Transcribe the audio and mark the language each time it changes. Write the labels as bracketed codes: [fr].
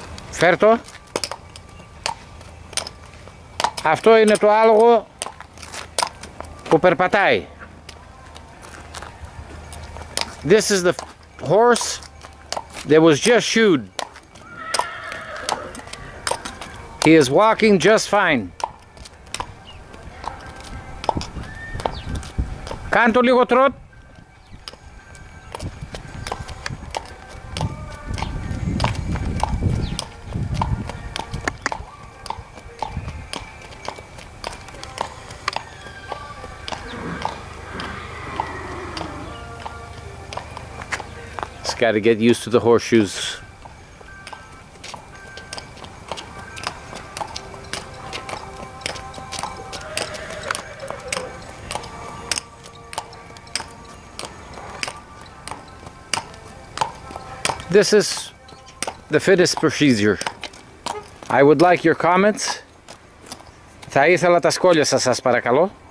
[el] Φέρτο. Αυτό είναι το άλογο που περπατάει. [en] This is the horse that was just shoed. He is walking just fine. [el] Κάνε το λίγο τρότ. [en] It's got to get used to the horseshoes. This is the fittest procedure. I would like your comments. [el] Θα ήθελα τα σχόλια σας, σας παρακαλώ.